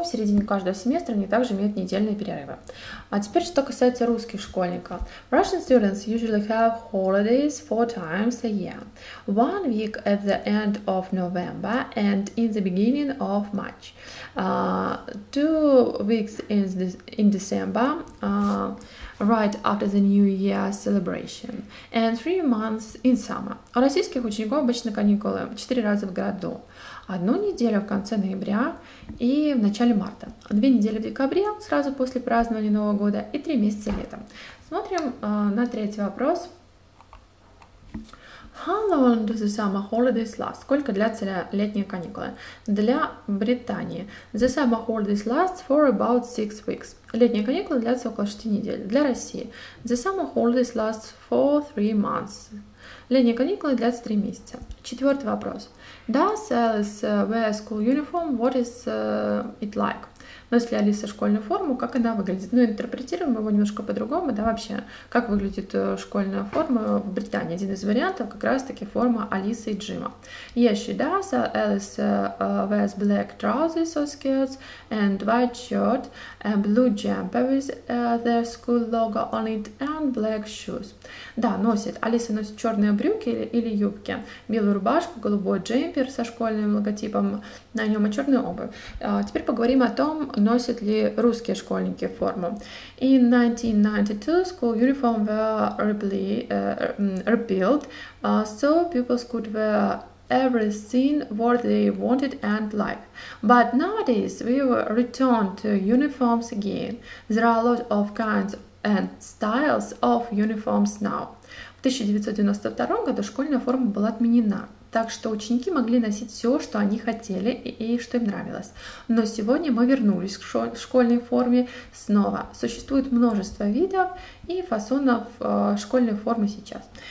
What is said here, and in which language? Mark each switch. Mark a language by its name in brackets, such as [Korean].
[Russian] В середине каждого семестра они также имеют недельные перерывы. А теперь, что касается русских школьников. [English] Russian students usually have holidays 4 times a year. 1 week at the end of November and in the beginning of March. 2 weeks in December, right after the New Year celebration. And 3 months in summer. [Russian] У российских учеников обычно каникулы 4 раза в году. 1 неделю в конце ноября и в начале марта. 2 недели в декабре, сразу после празднования Нового года, и 3 месяца летом. Смотрим на третий вопрос. [English] How long do the summer holidays last? [Russian] Сколько длятся летние каникулы? Для Британии. [English] The summer holidays last for about 6 weeks. [Russian] Летние каникулы длятся около 6 недель. Для России. [English] The summer holidays last for 3 months. [Russian] Летние каникулы длятся 3 месяца. Четвертый вопрос. [English] Does Alice wear school uniform? What is it like? [Russian] Носит ли Алиса школьную форму? Как она выглядит? Ну, интерпретируем его немножко по-другому, да, вообще. Как выглядит школьная форма в Британии? Один из вариантов как раз-таки форма Алисы и Джима. [English] Yes, she does. Alice wears black trousers or skirts and white shirt and blue jumper with their school logo on it and black shoes. [Russian] Да, носит. Алиса носит черные брюки или юбки, белую рубашку, голубой джемпер со школьным логотипом на нем и черную обувь. Теперь поговорим о том, носят ли русские школьники форму. [English] In 1992 school uniform were repealed, so pupils could wear everything what they wanted and liked. But nowadays we return to uniforms again. There are a lot of kinds and styles of uniforms now. [Russian] В 1992 году школьная форма была отменена. Так что ученики могли носить все, что они хотели и что им нравилось. Но сегодня мы вернулись к школьной форме снова. Существует множество видов и фасонов школьной формы сейчас.